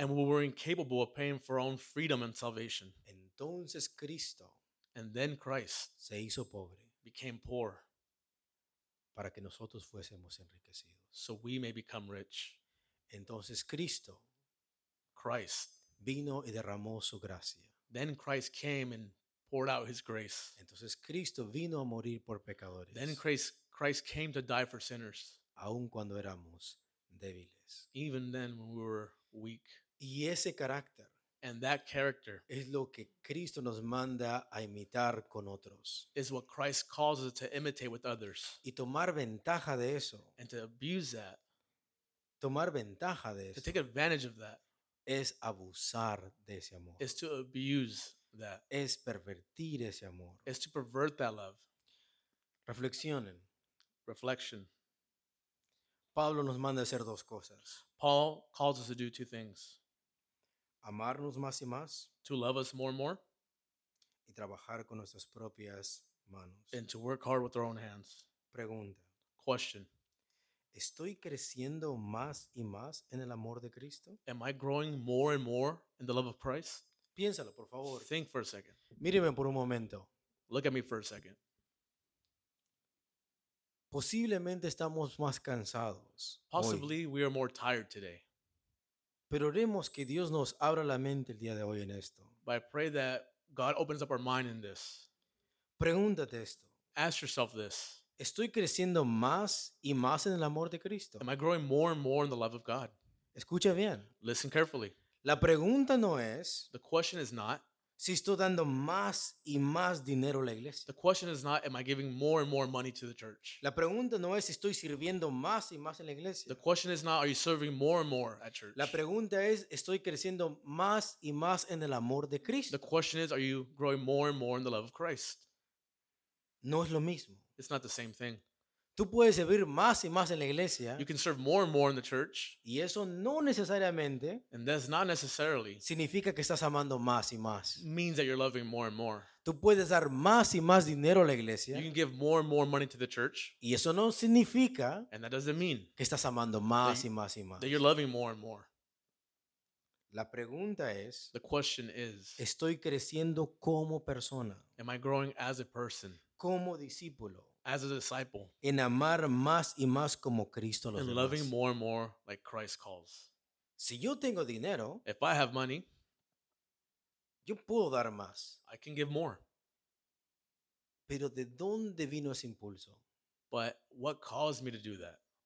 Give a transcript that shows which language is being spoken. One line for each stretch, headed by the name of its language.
English: And we were incapable of paying for our own freedom and salvation.
Spanish: Entonces Cristo.
English: And then Christ.
Spanish: Se hizo pobre.
English: Became poor.
Spanish: Para que nosotros fuésemos enriquecidos.
English: So we may become rich.
Spanish: Entonces Cristo.
English: Christ.
Spanish: Vino y derramó su gracia.
English: Then Christ came and poured out his grace.
Spanish: Entonces Cristo vino a morir por pecadores.
English: Then Christ came to die for sinners.
Spanish: Aun cuando éramos débiles.
English: Even then when we were weak.
Spanish: Y ese carácter.
English: And that character.
Spanish: Es lo que Cristo nos manda a imitar con otros.
English: Is what Christ calls us to imitate with others.
Spanish: Y tomar ventaja de eso.
English: And to abuse that.
Spanish: Tomar ventaja de eso.
English: To take advantage of that.
Spanish: Es abusar de ese amor.
English: Is to abuse that.
Spanish: Es pervertir ese amor.
English: Is to pervert that love.
Spanish: Reflexionen.
English: Reflection.
Spanish: Pablo nos manda a hacer dos cosas.
English: Paul calls us to do two things.
Spanish: Amarnos más y más.
English: To love us more and more.
Spanish: Y trabajar con nuestras propias manos.
English: And to work hard with our own hands.
Spanish: Pregunta.
English: Question.
Spanish: ¿Estoy creciendo más y más en el amor de Cristo?
English: Am I growing more and more in the love of Christ?
Spanish: Piénsalo, por favor.
English: Think for a second.
Spanish: Míreme por un momento.
English: Look at me for a second.
Spanish: Posiblemente estamos más cansados.
English: Possibly We are more tired today.
Spanish: Pero oremos que Dios nos abra la mente el día de hoy en esto.
English: But I pray that God opens up our mind in this.
Spanish: Pregúntate esto.
English: Ask yourself this.
Spanish: Estoy creciendo más y más en el amor de Cristo.
English: Am I growing more and more in the love of God?
Spanish: Escucha bien.
English: Listen carefully.
Spanish: La pregunta no es.
English: The question is not.
Spanish: Si estoy dando más y más dinero a la iglesia.
English: The question is not. Am I giving more and more money to the church?
Spanish: La pregunta no es. Estoy sirviendo más y más en la iglesia.
English: The question is not. Are you serving more and more at church?
Spanish: La pregunta es. Estoy creciendo más y más en el amor de Cristo.
English: The question is. Are you growing more and more in the love of Christ?
Spanish: No es lo mismo.
English: It's not the same thing.
Spanish: Tú puedes servir más y más en la iglesia.
English: You can serve more and more in the church.
Spanish: Y eso no necesariamente.
English: And that's not necessarily.
Spanish: Significa que estás amando más y más.
English: Means that you're loving more and more.
Spanish: Tú puedes dar más y más dinero a la iglesia.
English: You can give more and more money to the church.
Spanish: Y eso no significa.
English: And that doesn't mean.
Spanish: Que estás amando más y más y más.
English: That you're loving more and more.
Spanish: La pregunta es.
English: The question is.
Spanish: Estoy creciendo como persona.
English: Am I growing as a person?
Spanish: Como discípulo.
English: As a disciple.
Spanish: En amar más y más como Cristo los demás.
English: And loving more and more like Christ calls.
Spanish: Si yo tengo dinero.
English: If I have money.
Spanish: Yo puedo dar más.
English: I can give more.
Spanish: Pero ¿de dónde vino ese impulso?
English: But what caused me to do that?